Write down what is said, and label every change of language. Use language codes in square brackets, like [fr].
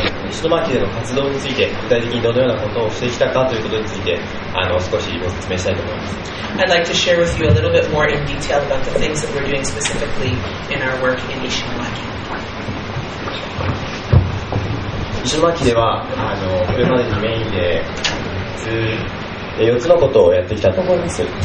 [ja] 石巻での活動について具体的にどのようなことをしてきたかということについて少しご説明したいと思います。 [en] I'd like to share with you a little bit more in detail about the things that we're doing specifically in our work in 石巻。 [ja] 石巻ではこれまでにメインで4つのことをやってきたと思います。